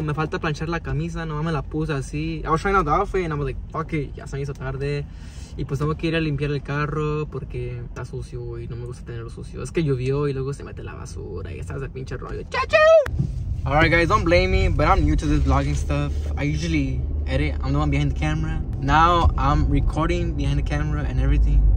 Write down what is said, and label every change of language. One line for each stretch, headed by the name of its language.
Spanish: Me falta planchar la camisa, no me la puse así.
English: I was trying out the outfit and I was like, fuck it,
Spanish: ya se me hizo tarde. Y pues tengo que ir a limpiar el carro porque está sucio y no me gusta tenerlo sucio. Es que llovió y luego se mete la basura y está ese pinche rollo. ¡Chacho!
English: Alright guys, don't blame me, but I'm new to this vlogging stuff. I usually edit, I'm the one behind the camera. Now I'm recording behind the camera and everything.